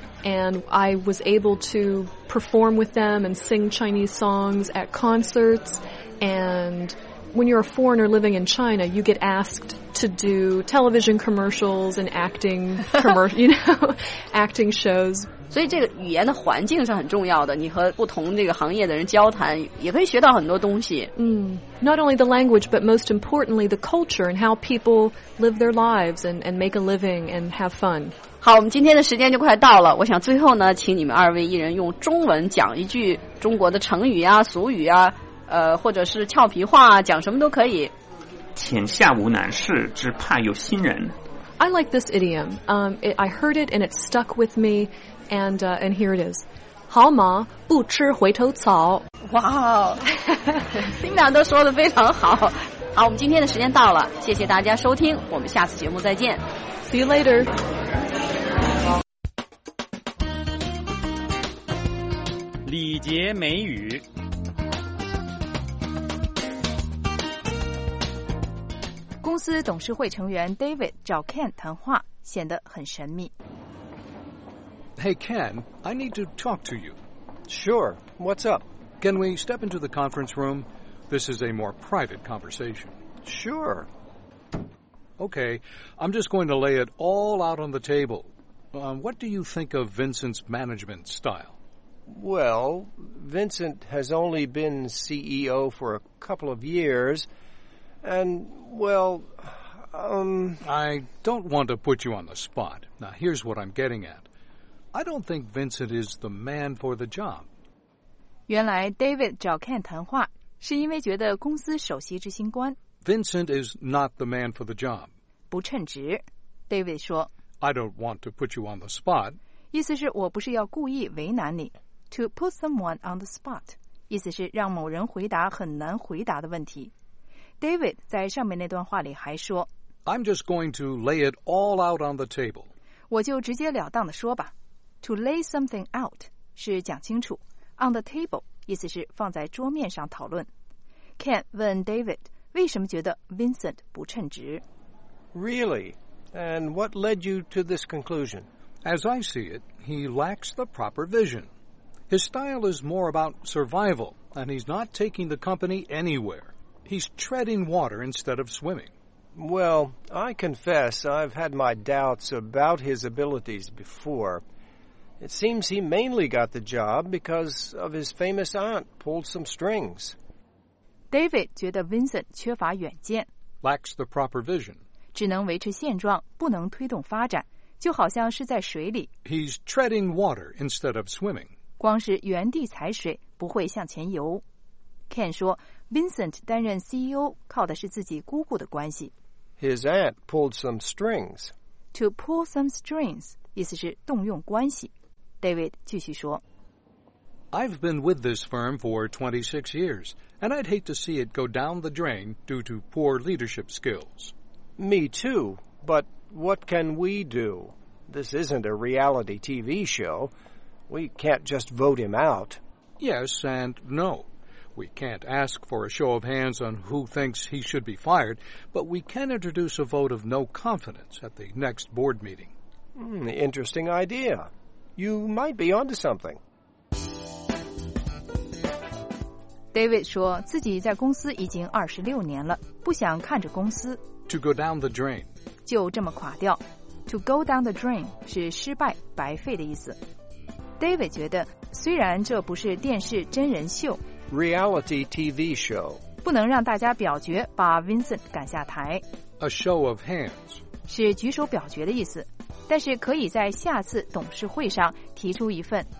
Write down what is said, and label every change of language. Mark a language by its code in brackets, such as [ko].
[en] And I was able to perform with them and sing Chinese songs at concerts. And when you're a foreigner living in China, you get asked to do television commercials and acting, you know, acting shows. [zh] 所以这个语言的环境是很重要的，你和不同这个行业的人交谈也可以学到很多东西。 [en] Not only the language, but most importantly, the culture and how people live their lives and make a living and have fun. [zh] 好，我们今天的时间就快到了，我想最后呢请你们二位一人用中文讲一句中国的成语啊俗语啊或者是俏皮话啊，讲什么都可以。天下无难事，只怕有心人。 [en] I like this idiom. I heard it and it stuck with me, and here it is. [zh] 好马不吃回头草。哇，新娘都说得非常好。好，我们今天的时间到了，谢谢大家收听，我们下次节目再见。 [en] See you later. [zh] 节美语，公司董事会成员 David 找 Ken 谈话，显得很神秘。 [en] Hey Ken, I need to talk to you. Sure, what's up? Can we step into the conference room? This is a more private conversation. Sure. Okay, I'm just going to lay it all out on the table. What do you think of Vincent's management style? Well, Vincent has only been CEO for a couple of years, and, well, I don't want to put you on the spot. Now, here's what I'm getting at. I don't think Vincent is the man for the job. [zh] 原来 David 找 Ken 谈话是因为觉得公司首席执行官 [en] Vincent is not the man for the job. [zh] 不称职 David 说 [en] I don't want to put you on the spot. [zh] 意思是我不是要故意为难你 [en] To put someone on the spot. [zh] 意思是让某人回答很难回答的问题 David 在上面那段话里还说 [en] I'm just going to lay it all out on the table. [zh] 我就直截了当地说吧 [en] To lay something out [zh] 是讲清楚 [en] On the table, [zh] 意思是放在桌面上讨论。 Ken 问 David, 为什么觉得 Vincent 不称职? [en] Really? And what led you to this conclusion? As I see it, he lacks the proper vision. His style is more about survival, and he's not taking the company anywhere. He's treading water instead of swimming. Well, I confess I've had my doubts about his abilities before. It seems he mainly got the job because of his famous aunt pulled some strings. [zh] David 觉得 Vincent 缺乏远见 [en] Lacks the proper vision. [zh] 只能维持现状不能推动发展就好像是在水里 [en] He's treading water instead of swimming. [zh] 光是原地踩水不会向前游 Ken 说 Vincent 担任 CEO 靠的是自己姑姑的关系 [en] His aunt pulled some strings. To pull some strings. [zh] 意思是动用关系。David 继续说 [en] I've been with this firm for 26 years, and I'd hate to see it go down the drain due to poor leadership skills. Me too, but what can we do? This isn't a reality TV show. We can't just vote him out. Yes and no. We can't ask for a show of hands on who thinks he should be fired, but we can introduce a vote of no confidence at the next board meeting. Interesting idea. You might be onto something. [zh] David 说自己在公司已经26年了，不想看着公司。 [en] To go down the drain. [zh] 就这么垮掉。 [en] To go down the drain [zh] 是失败、白费的意思。 David 觉得虽然这不是电视真人秀。 [en] Reality TV show. [zh] 不能让大家表决把 Vincent 赶下台。 [en] A show of hands. [zh] 是举手表决的意思。但是可以在下次董事会上提出一份